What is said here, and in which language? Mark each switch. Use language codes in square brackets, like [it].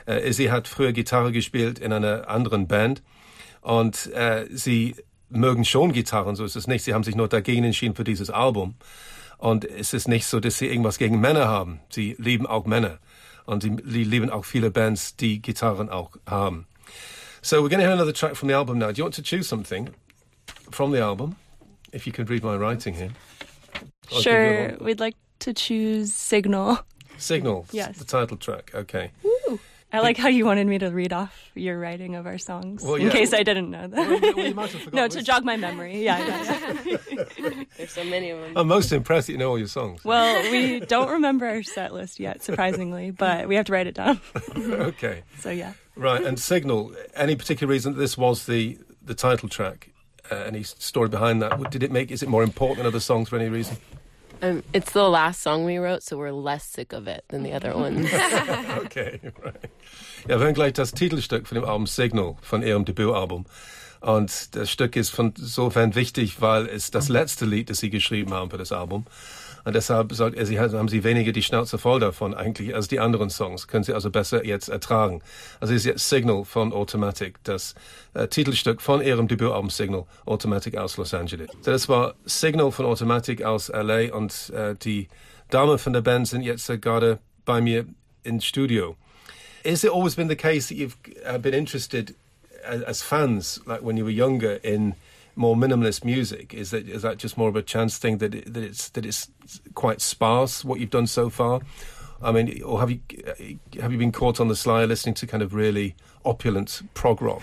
[de] Sie hat früher Gitarre gespielt in einer anderen Band. Und sie mögen schon Gitarren, so ist es nicht. Sie haben sich nur dagegen entschieden für dieses Album. Und es ist nicht so, dass sie irgendwas gegen Männer haben. Sie lieben auch Männer. Und sie lieben auch viele Bands, die Gitarren auch haben. [en] So, we're going to hear another track from the album now. Do you want to choose something from the album? If you can read my writing here. Sure, we'd like to choose Signal. Signal, yes. The title track, okay. I like how you wanted me to read off your writing of our songs, well, yeah, in case I didn't know that. Well, you might have forgotten. To jog my memory. Yeah, I know. There's so many of them. I'm most impressed that you know all your songs. Well, we don't remember our set list yet, surprisingly, but we have to write it down. Okay. So, yeah. Right, and Signal, any particular reason that this was the title track? Any story behind that? Is it more important than other songs for any reason? It's the last song we wrote, so we're less sick of it than the other ones. Okay, right. [de] Ja, wir hören gleich das Titelstück von dem Album Signal, von ihrem Debütalbum. Und das Stück ist von sofern wichtig, weil es das letzte Lied, das sie geschrieben haben für das Album. Und deshalb haben sie weniger die Schnauze voll davon eigentlich als die anderen Songs. Können sie also besser jetzt ertragen. Also ist jetzt Signal von Automatic, das Titelstück von ihrem Debütalbum Signal, Automatic aus Los Angeles. So, das war Signal von Automatic aus L.A. Und die Damen von der Band sind jetzt gerade bei mir im Studio. [en] Has it always been the case that you've been interested as fans, like when you were younger, in more minimalist music? Is that just more of a chance thing that it's quite sparse what you've done so far? I mean, or have you been caught on the sly listening to kind of really opulent prog rock?